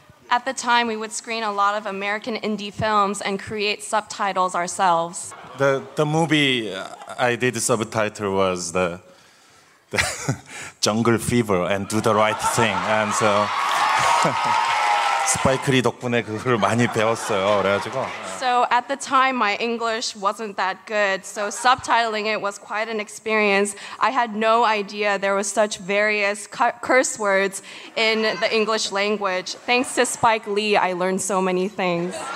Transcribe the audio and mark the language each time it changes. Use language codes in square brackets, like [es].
[en] At the time, we would screen a lot of American indie films and create subtitles ourselves. The movie I did the subtitle was the Jungle Fever and Do the Right Thing. And so... [ko] 스파이크 리 덕분에 그걸 많이 배웠어요. 그래가지고. [en] So at the time, my English wasn't that good. So subtitling it was quite an experience. I had no idea there was such various curse words in the English language. Thanks to Spike Lee, I learned so many things.